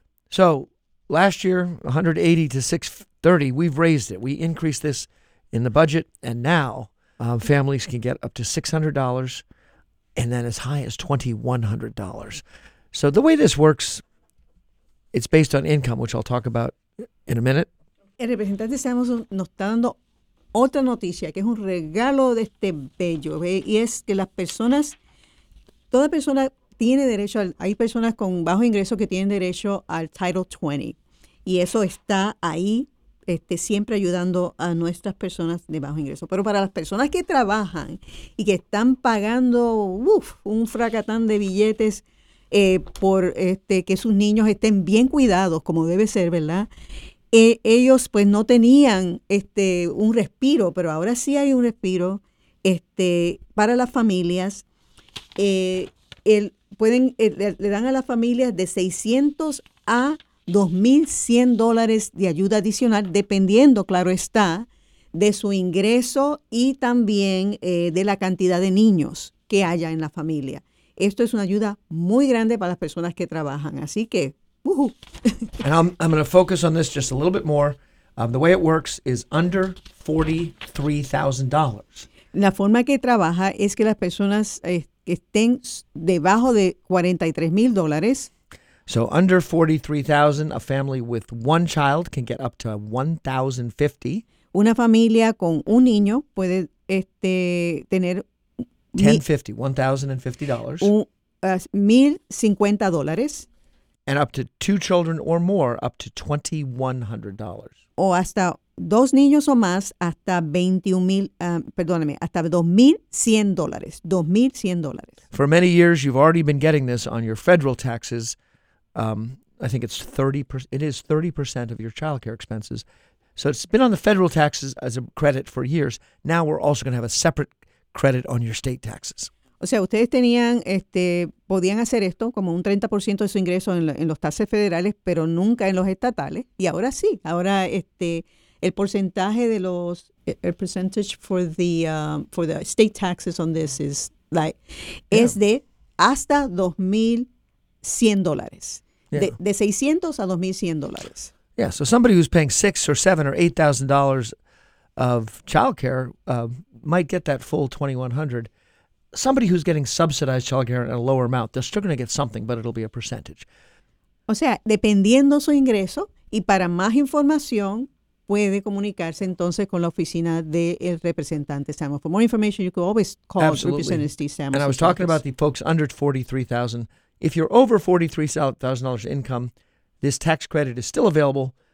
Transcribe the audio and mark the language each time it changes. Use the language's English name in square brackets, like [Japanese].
[English] So last year, $180 to $630, we've raised it. We increased this in the budget, and now families can get up to $600 and then as high as $2,100. So the way this works, it's based on income, which I'll talk about in a minute. [Spanish] El representante Samuelson nos está dando otra noticia, que es un regalo de este bello, y es que las personas, toda persona tiene derecho, hay personas con bajo ingreso que tienen derecho al Title 20, y eso está ahí siempre ayudando a nuestras personas de bajo ingreso. Pero para las personas que trabajan y que están pagando un fracatán de billetes por que sus niños estén bien cuidados, como debe ser, ¿verdad? Ellos pues no tenían un respiro, pero ahora sí hay un respiro para las familias. Le dan a las familias de $600 a $2,100 de ayuda adicional, dependiendo, claro está, de su ingreso y también de la cantidad de niños que haya en la familia. Esto es una ayuda muy grande para las personas que trabajan. Así que, woohoo. [English] And I'm going to focus on this just a little bit more. The way it works is under $43,000. [Spanish] La forma que trabaja es que las personas que estén debajo de $43,000. [English] So under $43,000, a family with one child can get up to $1,050. [Spanish] una familia con un niño puede tener... $1,050. [English] $1,050. And up to two children or more, up to $2,100. [Spanish] O hasta dos niños o más, hasta 2,100 dólares. [English] $2,100. For many years, you've already been getting this on your federal taxes. I think it's 30%. It is 30% of your child care expenses. So it's been on the federal taxes as a credit for years. Now we're also going to have a separate credit on your state taxes. [Spanish] O sea, ustedes tenían, podían hacer esto como un 30% de su ingreso en los taxes federales, pero nunca en los estatales. [English] Y ahora sí, ahora el porcentaje de los, el percentage for the state taxes on this is like, yeah. [Spanish] Es de hasta $2,100. Yeah. De 600 a $2,100. [English] Yeah, so somebody who's paying $6,000 or $7,000 or $8,000 of childcare might get that full $2,100. Somebody who's getting subsidized child care at a lower amount, they're still going to get something, but it'll be a percentage. [Spanish] O sea, dependiendo su ingreso, y para más información, puede comunicarse entonces con la oficina del representante Samuel. [English] For more information, you can always call Representative Steve Samuel. And I was talking about the folks under $43,000. If you're over $43,000 income, this tax credit is still available.